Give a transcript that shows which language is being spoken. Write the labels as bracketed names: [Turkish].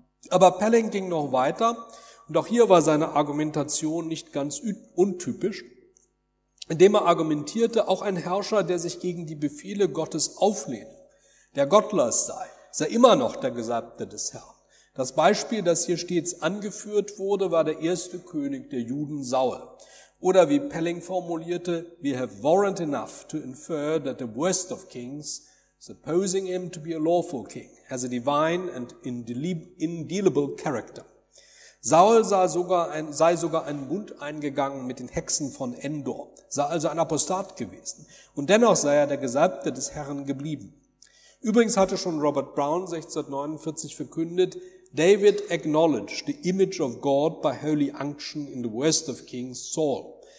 [German] Aber Pelling ging noch weiter und auch hier war seine Argumentation nicht ganz untypisch, indem er argumentierte, auch ein Herrscher, der sich gegen die Befehle Gottes auflehne, der gottlos sei, sei immer noch der Gesalbte des Herrn. Das Beispiel, das hier stets angeführt wurde, war der erste König der Juden, Saul. Oder wie Pelling formulierte, [English] we have warrant enough to infer that the worst of kings, supposing him to be a lawful king, has a divine and indelible character. [German] Saul sei sogar einen Bund eingegangen mit den Hexen von Endor, sei also ein Apostat gewesen. Und dennoch sei er der Gesalbte des Herrn geblieben. Übrigens hatte schon Robert Brown 1649 verkündet, [English] David acknowledged the image of God by holy unction in the worst of kings, Saul.